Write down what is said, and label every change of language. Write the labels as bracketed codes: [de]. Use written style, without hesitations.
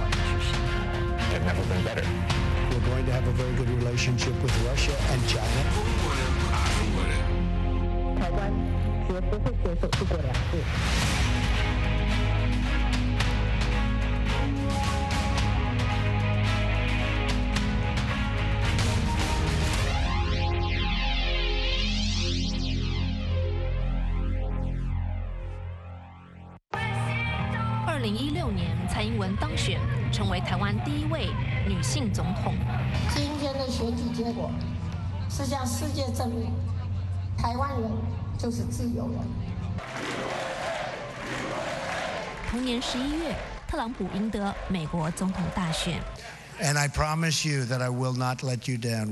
[en] We're going to have a very good relationship with Russia and China. [zh] 台湾绝不会接受一国两制。 2016年，蔡英文当选，成为台湾第一位女性总统。今天的选举结果是向世界证明，台湾人就是自由人。同年11月，特朗普赢得美国总统大选。 [en] And I promise you that I will not let you down.